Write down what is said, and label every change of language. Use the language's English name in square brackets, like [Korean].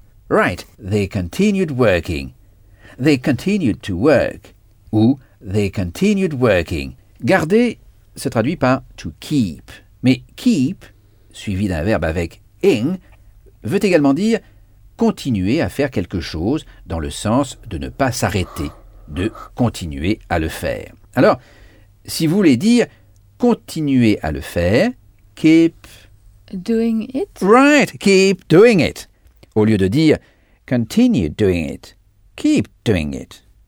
[English] Right, they continued working. They continued to work. Ou they continued working. [French] Garder se traduit par to keep. Mais keep, suivi d'un verbe avec ing, veut également dire continuer à faire quelque chose dans le sens de ne pas s'arrêter, de continuer à le faire. Alors, si vous voulez dire continuer à le faire, keep [English] doing it. Right, keep doing it. [French] Au lieu de dire [English] continue doing it, keep doing it.